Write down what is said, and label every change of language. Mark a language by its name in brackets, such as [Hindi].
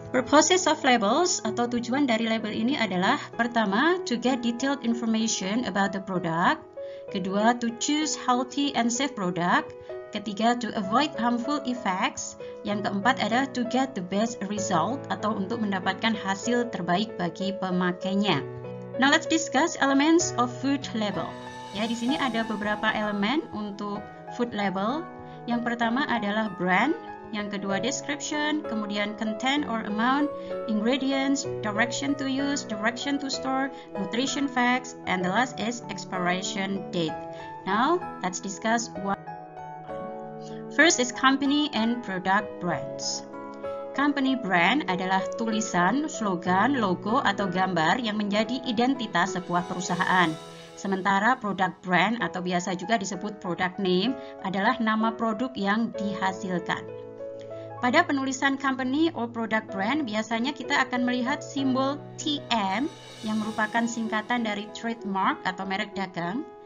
[English] Purposes of labels [Indonesian] atau tujuan dari label ini adalah pertama, [English] to get detailed information about the product. [Indonesian] Kedua, [English] to choose healthy and safe product. [Indonesian] Ketiga, [English] to avoid harmful effects. [Indonesian] Yang keempat adalah [English] to get the best result [Indonesian] atau untuk mendapatkan hasil terbaik bagi pemakainya. [English] Now let's discuss elements of food label. [Indonesian] Ya, di sini ada beberapa elemen untuk [English] food label. [Indonesian] Yang pertama adalah [English] brand, [Indonesian] yang kedua [English] description, [Indonesian] kemudian [English] content or amount, ingredients, direction to use, direction to store, nutrition facts, and the last is expiration date. Now, let's discuss one. First is company and product brands. [Indonesian] Company brand adalah tulisan, slogan, logo, atau gambar yang menjadi identitas sebuah perusahaan. Sementara product brand atau biasa juga disebut product name adalah nama produk yang dihasilkan. Pada penulisan company or product brand, biasanya kita akan melihat simbol TM yang merupakan singkatan dari trademark atau merek dagang.